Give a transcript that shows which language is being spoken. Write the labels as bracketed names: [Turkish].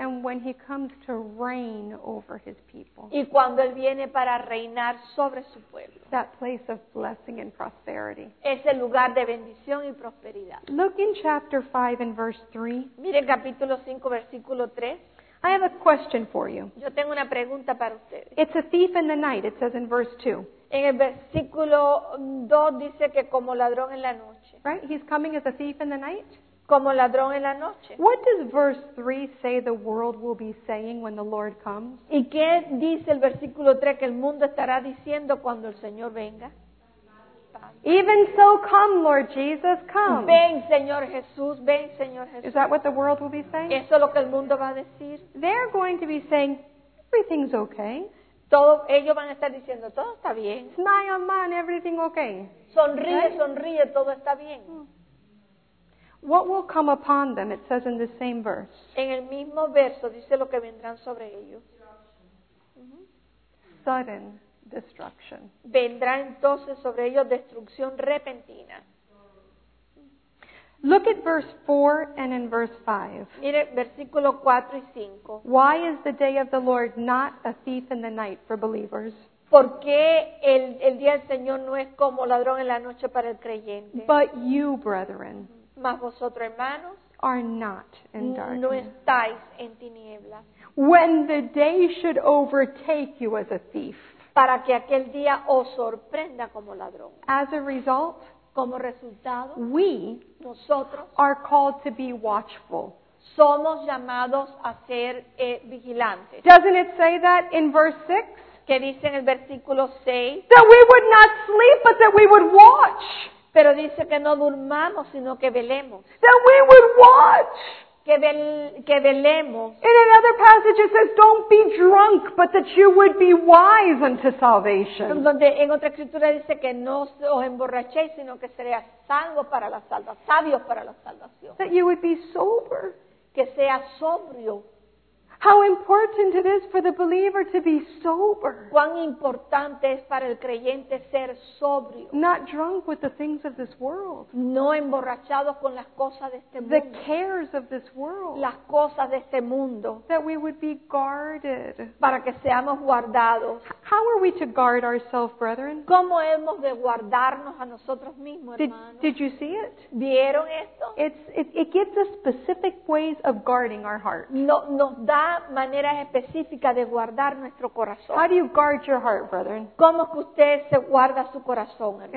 [English] And when He comes to reign over His people. [Spanish] Y cuando Él viene para reinar sobre su pueblo. [English] That place of blessing and prosperity. [Spanish] Ese lugar de bendición y prosperidad. [English] Look in chapter 5 and verse 3. [Spanish] Mire capítulo 5, versículo 3. [English] I have a question for you. [Spanish] Yo tengo una pregunta para ustedes. [English] It's a thief in the night, it says in verse 2. [Spanish] En el versículo 2 dice que como ladrón en la noche. [English] Right? He's coming as a thief in the night? [Spanish] como ladrón en la noche. [English] What does verse 3 say the world will be saying when the Lord comes? [Spanish] ¿Y qué dice el versículo 3 que el mundo estará diciendo cuando el Señor venga? [English] Even so, come, Lord Jesus, come. [Spanish] Ven, Señor Jesús, ven, Señor Jesús. [English] Is that what the world will be saying? [Spanish] ¿Eso es lo que el mundo va a decir? [English] They're going to be saying, everything's okay. [Spanish] Todo, ellos van a estar diciendo, todo está bien. [English] Smile, man, everything okay. [Spanish] Sonríe, right? Sonríe, todo está bien. [English] What will come upon them? It says in the same verse. [Spanish] En el mismo verso dice lo que vendrán sobre ellos. [English] Sudden destruction. [Spanish] Vendrá entonces sobre ellos destrucción repentina. [English] Look at verse 4 and in verse 5. [Spanish] Mire, versículo 4 y 5. [English] Why is the day of the Lord not a thief in the night for believers? [Spanish] ¿Por qué el día del Señor no es como ladrón en la noche para el creyente? [English] But you, brethren, [Spanish] mas vosotros, hermanos, [English] are not in darkness. [Spanish] No estáis en tinieblas. [English] When the day should overtake you as a thief. [Spanish] Para que aquel día os sorprenda como ladrón. [English] As a result, [Spanish] como resultado, [English] we, [Spanish] nosotros, [English] are called to be watchful. [Spanish] Somos llamados a ser vigilantes. [English] Doesn't it say that in verse 6? [Spanish] Que dice en el versículo 6. [English] That we would not sleep, but that we would watch. [Spanish] Pero dice que no durmamos, sino que velemos. [English] That we would watch. [Spanish] Que velemos. [English] In another passage it says, don't be drunk, but that you would be wise unto salvation. [Spanish] Donde en otra escritura dice que no os emborrachéis, sino que seréis sabios para la salvación. [English] That you would be sober. [Spanish] Que sea sobrio. [English] How important it is for the believer to be sober. [Spanish] Cuán importante es para el creyente ser sobrio. [English] Not drunk with the things of this world. [Spanish] No emborrachado con las cosas de este mundo. [English] The cares of this world. [Spanish] Las cosas de este mundo. [English] That we would be guarded. [Spanish] Para que seamos guardados. [English] How are we to guard ourselves, brethren? [Spanish] ¿Cómo hemos de guardarnos a nosotros mismos, hermanos? [English] Did you see it? [Spanish] ¿Vieron esto? [English] It gives us specific ways of guarding our heart. [Spanish] No. Da maneras específicas de guardar nuestro corazón. [English] How do you guard your heart, brethren? [Spanish] ¿Cómo que usted se guarda su corazón, hermano?